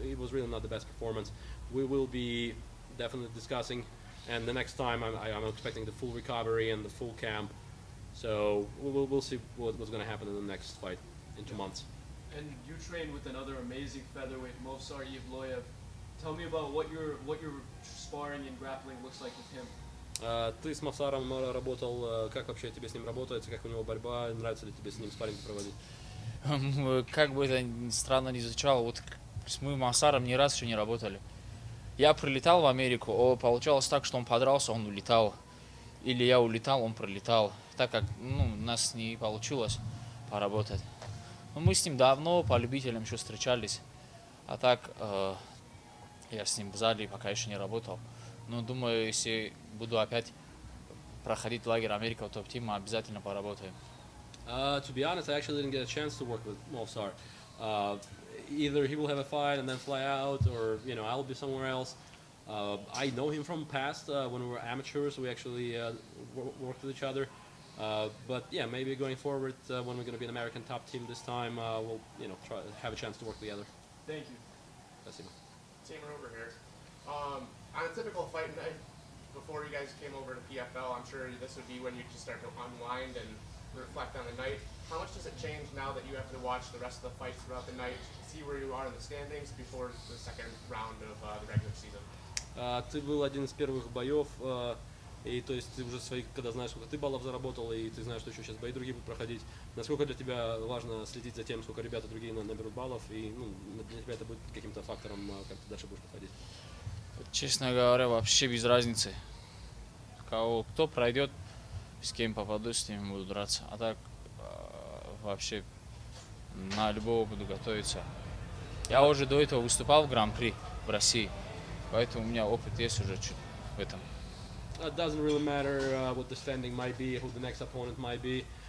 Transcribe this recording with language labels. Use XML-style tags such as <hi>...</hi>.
<en>It was really not the best performance. We will be definitely discussing, and the next time I'm expecting the full recovery and the full camp. So we'll see what was going to happen in the next fight in 2 months. And you train with another amazing featherweight, Movsar Evloev. Tell me about what your sparring and grappling looks like with him.</en> <ru>Ты с Мавсаром работал? Как вообще тебе с ним работается? Как у него борьба? Нравится ли тебе с ним спарринг проводить? Как бы это странно ни звучало, вот мы с Мавсаром ни разу еще не работали. Я прилетал в Америку, получалось так, что он подрался, он улетал. Или я улетал, он пролетал. Так как у нас не получилось поработать. Но мы с ним давно по любителям еще встречались. А так я с ним в зале пока еще не работал. Но думаю, если буду опять проходить лагерь Америка в топ тим, мы обязательно поработаем.</ru> <en>To be honest, I actually didn't get a chance to work with Movsar. Either he will have a fight and then fly out, or you know, I'll be somewhere else. I know him from past when we were amateurs, we actually worked with each other. But yeah, maybe going forward when we're going to be an American top team this time, we'll you know try have a chance to work together. Thank you. That's him. Tamer over here. On a typical fight night, before you guys came over to PFL, I'm sure this would be when you just start to unwind and reflect on the night. How much does it change now that you have to watch the rest of the fights throughout the night, see where you are in the standings before the second round of the regular season?</en> <ru>Ты был один из первых боев, и то есть ты уже своих, когда знаешь, сколько ты баллов заработал, и ты знаешь, что еще сейчас бои другие будут проходить. Насколько для тебя важно следить за тем, сколько ребята другие наберут баллов, и ну, для тебя это будет каким-то фактором, как ты дальше будешь проходить? Честно говоря, вообще без разницы. Кого, кто пройдет, с кем попаду, с ними буду драться. А так вообще на любого буду готовиться. Я уже до этого выступал в Гран-при в России. Поэтому у меня опыт есть уже в этом.</ru> <en>It doesn't really matter what the standing might be, who the next opponent might be.</en>